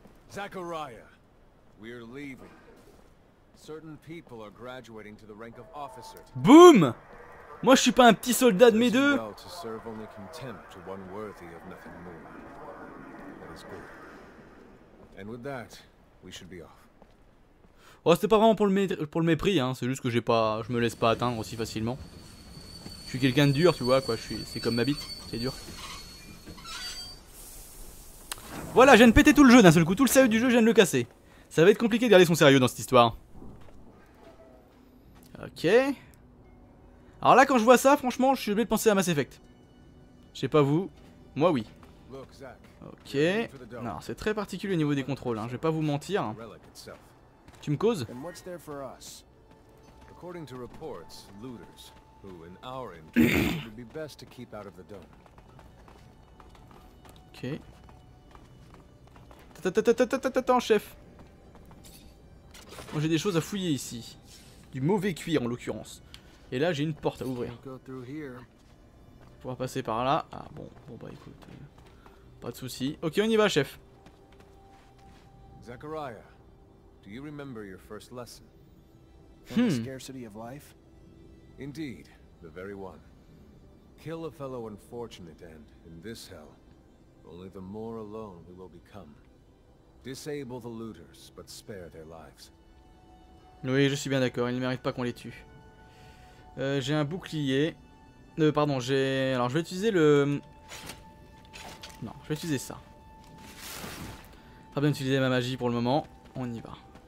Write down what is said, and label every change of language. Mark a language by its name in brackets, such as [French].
[English] Zachariah, we're leaving. Certain people are graduating to the rank of officer. Boom! [French] Moi, je suis pas un petit soldat de mes deux. Oh, c'était pas vraiment pour le mépris, hein. C'est juste que je me laisse pas atteindre aussi facilement. Je suis quelqu'un de dur, tu vois, quoi. C'est comme ma bite, c'est dur. Voilà, je viens de péter tout le jeu d'un seul coup, tout le sérieux du jeu, je viens de le casser. Ça va être compliqué de garder son sérieux dans cette histoire. Ok. Alors là, quand je vois ça, franchement, je suis obligé de penser à Mass Effect. Je sais pas vous, moi oui. Ok. Non, c'est très particulier au niveau des contrôles, hein. Je vais pas vous mentir. Hein. Tu me causes ? [English] And what's there for us? According to reports, looters, who in our interest, would be best to keep out of the dome. [French] Ok. Attends, chef. Moi, j'ai des choses à fouiller ici. Du mauvais cuir, en l'occurrence. Et là, j'ai une porte à ouvrir. On pourra passer par là. Ah, bon. Bon, bah, écoute. Pas de soucis. Ok, on y va, chef. [English] Zachariah. Do you remember your first lesson? From the scarcity of life? Indeed, the very one. Kill a fellow unfortunate and, in this hell, only the more alone we will become. Disable the looters, but spare their lives. [French] Oui, je suis bien d'accord, ils ne méritent pas qu'on les tue. J'ai un bouclier. Pardon, j'ai... Alors, je vais utiliser le... Non, je vais utiliser ça. Pas bien d'utiliser ma magie pour le moment. On y va.